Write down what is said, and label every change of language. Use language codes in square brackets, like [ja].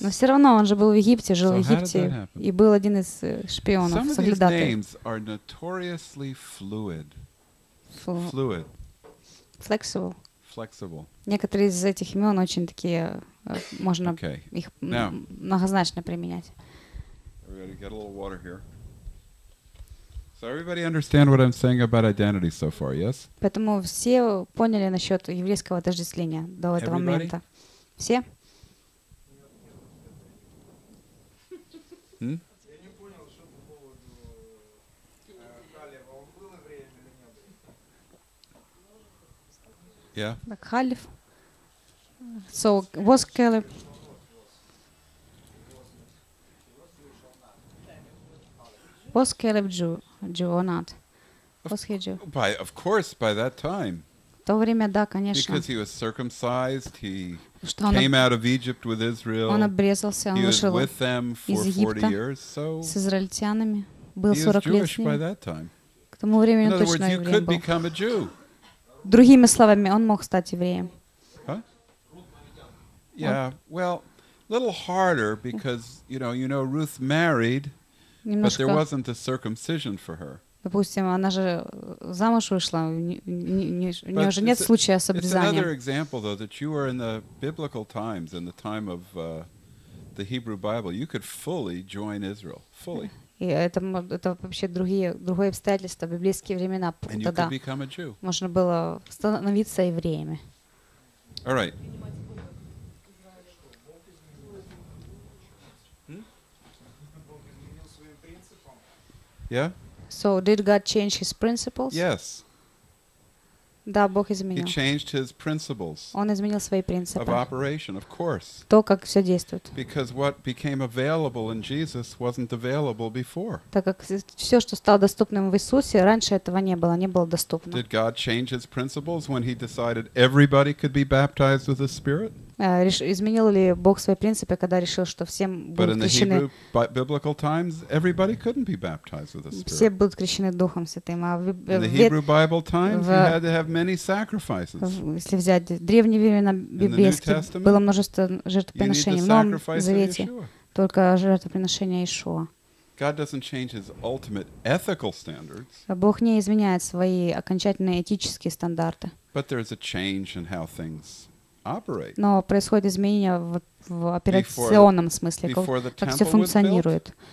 [ru] Но все равно он же был в Египте, жил в Египте, и был один из шпионов, соглядатый. [en] Some of these names are notoriously fluid. Fluid. Flexible. Flexible. [ru] Некоторые из этих имен очень такие, можно их многозначно применять. [en] We gotta get a little water here. So everybody understand what I'm saying about identity so far, yes? [ru] Поэтому все поняли насчет еврейского отождествления до этого момента. Все? [en] Yeah. Like Khalif. So was Caleb. Was Caleb Jew or not? Was he Jew? Of course, by that time. [ru] То время, да, конечно. [en] Because he was circumcised, he came out of Egypt with Israel. [ru] Он обрезался, он вышел [en] with them for 40 years, so [ru] с израильтянами был 40 лет. [en] He was Jewish by that time. [ru] К тому времени точно еврей был. [en] You could become a Jew. [ru] Другими словами, он мог стать евреем. [en] Huh? Yeah, well, a little harder because, you know, Ruth married, [ru] немножко, [en] but there wasn't a circumcision for her. [ru] Допустим, она же замуж вышла, у нее же нет случая с обрезанием. [en] It's another example, though, that you were in the biblical times, in the time of the Hebrew Bible. You could fully join Israel, fully. [ru] И это вообще другие обстоятельства, библейские времена. [en] And you could become a Jew. [ru] Можно было становиться евреями. [en] All right. Yeah? So did God change his principles? Yes. [ru] Да, Бог изменил. [en] He changed his principles. [ru] Он изменил свои принципы. [en] Of operation, of course. [ru] То, как все действует. [en] Because what became available in Jesus wasn't available before. [ru] Так как все, что стало доступным в Иисусе, раньше этого не было доступно. [en] Did God change his principles when he decided everybody could be baptized with the Spirit? [ru] Изменил ли Бог свои принципы, когда решил, что всем будут крещены? [en] But in the Hebrew biblical times, everybody couldn't be baptized with the Spirit. [ru] Все будут крещены Духом Святым. [en] In the Hebrew Bible times, you had to have many sacrifices. [ru] Если взять древние времена библейские, было множество жертвоприношений. В Новом Завете только жертвоприношение Иешуа. [en] God doesn't change his ultimate ethical standards. [ru] Бог не изменяет свои окончательные этические стандарты. [en] But there is a change in how things. [ru] Но происходит изменение в операционном смысле, как все функционирует.